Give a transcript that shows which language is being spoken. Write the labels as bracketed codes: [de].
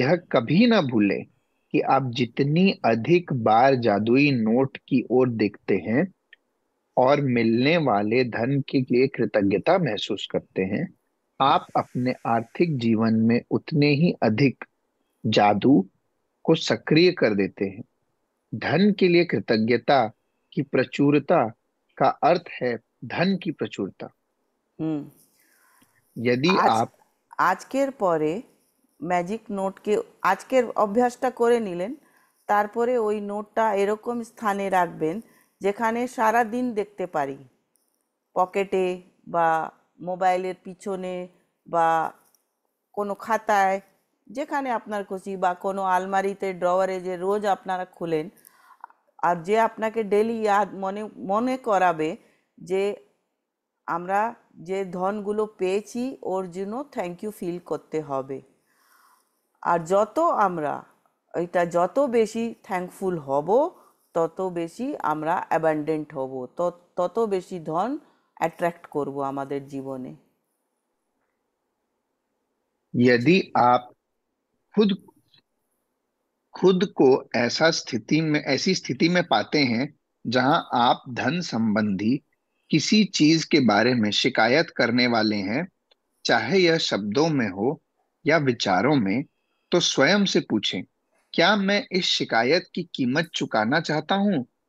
[hi] यह कभी ना भूलें कि आप जितनी अधिक बार जादुई नोट की ओर देखते हैं और मिलने वाले धन के लिए कृतज्ञता महसूस करते हैं, आप अपने आर्थिक जीवन में उतने ही अधिक जादू को सक्रिय कर देते हैं। धन के लिए कृतज्ञता की प्रचुरता का अर्थ है धन की प्रचुरता। यदि [bn] আজ [hi] आप [bn] আজকের পরে ম্যাজিক নোটকে আজকের অভ্যাসটা করে নিলেন, তারপরে ওই নোটটা এরকম স্থানে রাখবেন যেখানে সারা দিন দেখতে পারি, পকেটে বা মোবাইলের পিছনে বা কোনো খাতায়, যেখানে আপনার খুশি, বা কোনো আলমারিতে ড্রয়ারে যে রোজ আপনারা খুলেন, আর যে আপনাকে ডেলি ইয়াদ মনে মনে করাবে যে আমরা যে ধনগুলো পেয়েছি ওর জন্য থ্যাংক ইউ ফিল করতে হবে। আর যত আমরা এটা যত বেশি থ্যাংকফুল হব, তত বেশি আমরা অ্যাবান্ডেন্ট হব, তত বেশি ধন অ্যাট্রাক্ট করব আমাদের জীবনে। [hi] यदि आप खुद खुद को ऐसा स्थिति में ऐसी स्थिति में पाते हैं जहां आप धन संबंधी किसी चीज के बारे में शिकायत करने वाले हैं, चाहे यह शब्दों में हो या विचारों में, तो स्वयं से पूछें, क्या मैं इस शिकायत की कीमत चुकाना चाहता हूं?